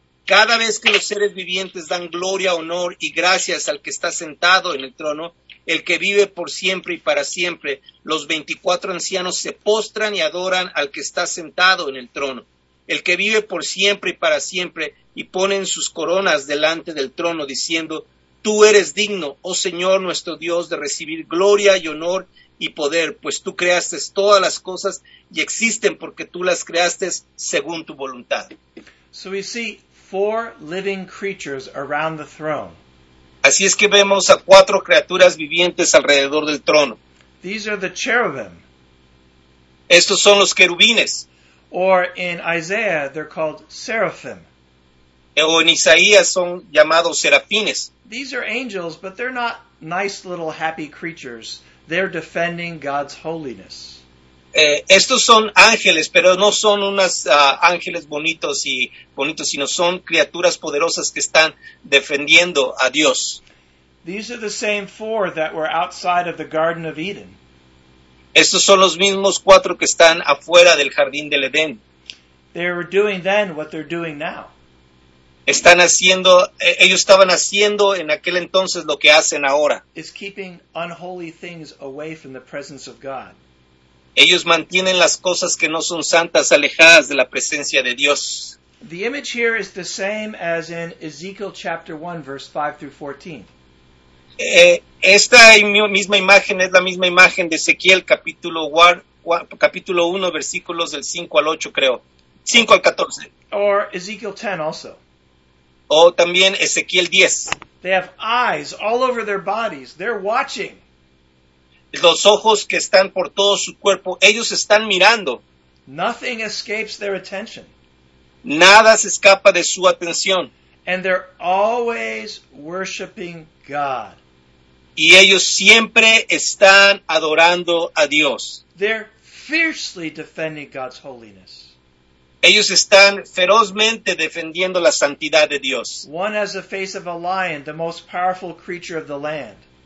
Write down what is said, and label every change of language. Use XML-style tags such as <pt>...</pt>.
<es>Cada vez que los seres vivientes dan gloria, honor y gracias al que está sentado en el trono, el que vive por siempre y para siempre, los 24 ancianos se postran y adoran al que está sentado en el trono, el que vive por siempre y para siempre, y ponen sus coronas delante del trono diciendo, tú eres digno, oh Señor nuestro Dios, de recibir gloria y honor y poder, pues tú creaste todas las cosas y existen porque tú las creaste según tu voluntad.</es> <en>So we see four living creatures around the throne.</en> <es>Así es que vemos a cuatro criaturas vivientes alrededor del trono.</es> <en>These are the cherubim.</en> <es>Estos son los querubines.</es> <en>Or in Isaiah, they're called seraphim.</en> <es>O en Isaías son llamados serafines.</es> <en>These are angels, but they're not nice little happy creatures. They're defending God's holiness.</en> <es>Estos son ángeles, pero no son unas ángeles bonitos, sino son criaturas poderosas que están defendiendo a Dios.</es> <en>These are the same four that were outside of the Garden of Eden.</en> <es>Estos son los mismos cuatro que están afuera del Jardín del Edén.</es> <en>They were doing then what they're doing now.</en> <es>Están haciendo, ellos estaban haciendo en aquel entonces lo que hacen ahora.</es> <en>It's keeping unholy things away from the presence of God.</en> <es>Ellos mantienen las cosas que no son santas alejadas de la presencia de Dios.</es> <en>The image here is the same as in Ezekiel chapter 1, verse 5 through 14.</en> <es>Esta misma imagen es la misma imagen de Ezequiel capítulo 1, versículos del 5 al 8, creo. 5 al 14.</es> <en>Or Ezekiel 10 also.</en> <es>O también Ezequiel 10.</es> <en>They have eyes all over their bodies. They're watching.</en> <es>Los ojos que están por todo su cuerpo, ellos están mirando.</es> <en>Nothing escapes their attention.</en> <es>Nada se escapa de su atención.</es> <en>And they're always worshiping God.</en> <es>Y ellos siempre están adorando a Dios.</es> <en>They're fiercely defending God's holiness.</en> <es>Ellos están ferozmente defendiendo la santidad de Dios.</es> <en>One has the face of a lion, the most powerful creature of the land.</en>